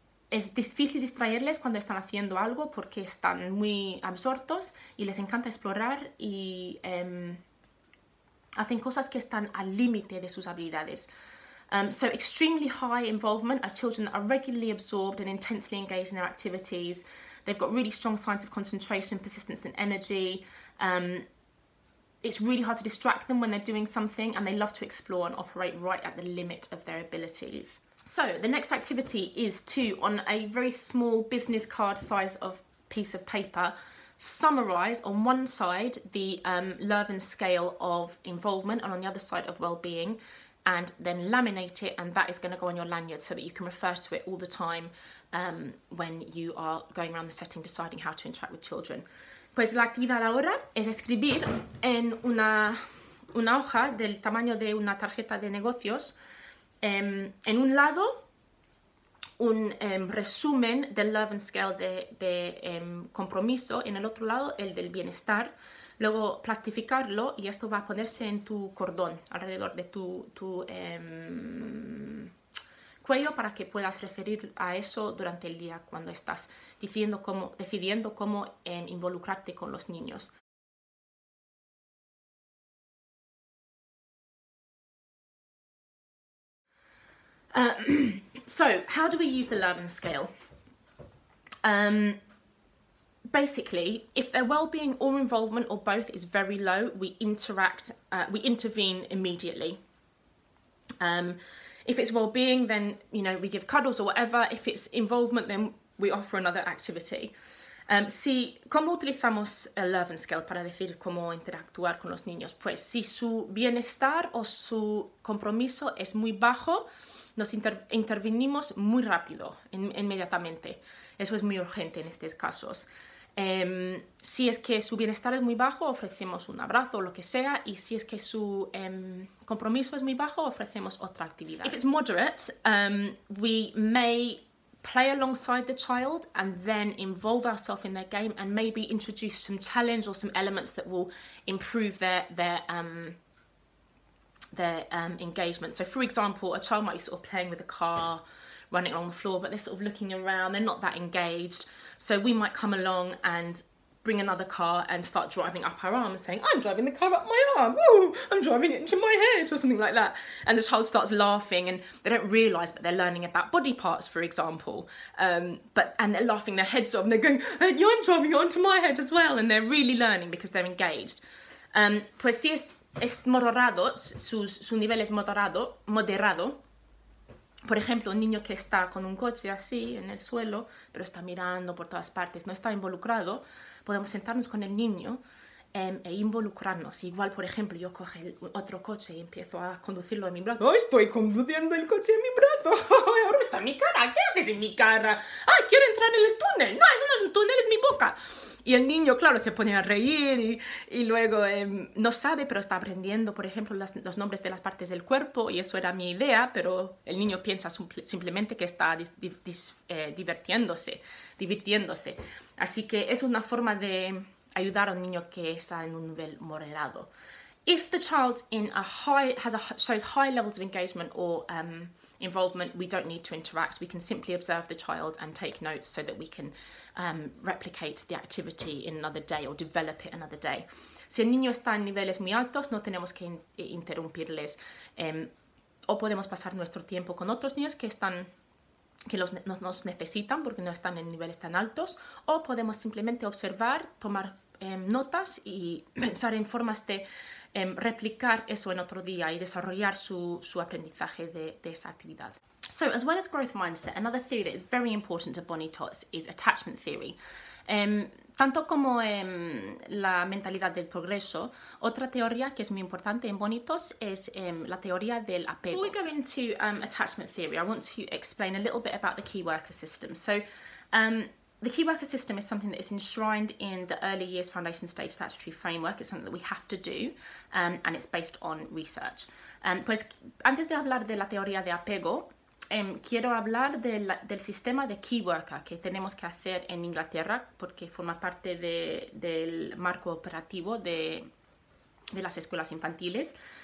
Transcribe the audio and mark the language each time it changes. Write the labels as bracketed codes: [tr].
[es] Es difícil distraerles cuando están haciendo algo porque están muy absortos y les encanta explorar y hacen cosas que están al límite de sus habilidades. [en] So extremely high involvement are children that are regularly absorbed and intensely engaged in their activities. They've got really strong signs of concentration, persistence and energy. it's really hard to distract them when they're doing something, and they love to explore and operate right at the limit of their abilities. So the next activity is to, on a very small business card size of piece of paper, summarise on one side the Lurven scale of involvement and on the other side of well-being, and then laminate it, and that is going to go on your lanyard so that you can refer to it all the time when you are going around the setting deciding how to interact with children. [es] Pues la actividad ahora es escribir en una hoja del tamaño de una tarjeta de negocios en un lado un resumen del Lurven scale de compromiso, en el otro lado el del bienestar, luego plastificarlo y esto va a ponerse en tu cordón alrededor de tu cuello para que puedas referir a eso durante el día cuando estás decidiendo cómo involucrarte con los niños. [en] So, how do we use the Lurven scale? Basically, if their well-being or involvement or both is very low, we intervene immediately. If it's well-being, then, you know, we give cuddles or whatever. If it's involvement, then we offer another activity. [es] Si, ¿cómo utilizamos el Lurven scale para decir cómo interactuar con los niños? Pues si su bienestar o su compromiso es muy bajo, nos intervenimos muy rápido, inmediatamente. Eso es muy urgente en estos casos. Si es que su bienestar es muy bajo, ofrecemos un abrazo o lo que sea, y si es que su compromiso es muy bajo, ofrecemos otra actividad. [en] If it's moderate, we may play alongside the child and then involve ourselves in their game and maybe introduce some challenge or some elements that will improve their engagement. So for example, a child might be sort of playing with a car, running along the floor, but they're sort of looking around, they're not that engaged. So we might come along and bring another car and start driving up our arm, saying, I'm driving the car up my arm, ooh, I'm driving it into my head, or something like that. And the child starts laughing and they don't realise, but they're learning about body parts, for example. And they're laughing their heads off and they're going, hey, you're driving it onto my head as well. And they're really learning because they're engaged. [es] Pues si es moderado, su nivel es moderado. Por ejemplo, un niño que está con un coche así en el suelo, pero está mirando por todas partes, no está involucrado, podemos sentarnos con el niño e involucrarnos. Igual, por ejemplo, yo coge otro coche y empiezo a conducirlo en mi brazo. ¡Oh, estoy conduciendo el coche en mi brazo! ¡Ahora está mi cara! ¿Qué haces en mi cara? ¡Ay, quiero entrar en el túnel! ¡No, eso no es un túnel, es mi boca! Y el niño, claro, se pone a reír y luego no sabe, pero está aprendiendo, por ejemplo, los nombres de las partes del cuerpo, y eso era mi idea, pero el niño piensa simplemente que está divirtiéndose. Así que es una forma de ayudar a un niño que está en un nivel moderado. [en] If the child shows high levels of engagement or involvement, we don't need to interact. We can simply observe the child and take notes so that we can replicate the activity in another day or develop it another day. [es] Si el niño está en niveles muy altos, no tenemos que interrumpirles. O podemos pasar nuestro tiempo con otros niños que nos necesitan porque no están en niveles tan altos. O podemos simplemente observar, tomar notas y pensar en formas de replicar eso en otro día y desarrollar su aprendizaje de esa actividad. [en] So, as well as growth mindset, another theory that is very important to Bonnie Tots is attachment theory. [es] Tanto como la mentalidad del progreso, otra teoría que es muy importante en Bonnie Tots es la teoría del apego. [en] Before we go into attachment theory, I want to explain a little bit about the key worker system. So, the key worker system is something that is enshrined in the Early Years Foundation State Statutory Framework. It's something that we have to do, and it's based on research. [es] Pues antes de hablar de la teoría de apego, quiero hablar del sistema de key worker que tenemos que hacer en Inglaterra, porque forma parte del marco operativo de las escuelas infantiles.